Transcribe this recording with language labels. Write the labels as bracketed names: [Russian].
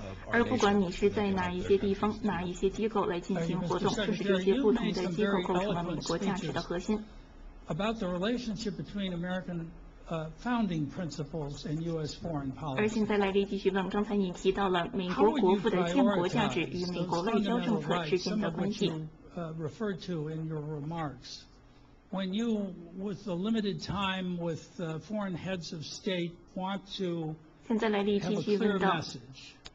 [Chinese] 而不管你是在哪一些地方、哪一些机构来进行活动，这是这些不同的机构构成了美国价值的核心。 [English] About the relationship between American founding principles and U.S. foreign policy. [Chinese] 而现在来继续问，刚才你提到了美国国父的建国价值与美国外交政策之间的关系。 [English] Referred to in your remarks, when you, with the limited time with foreign heads of state, want to have a clear message.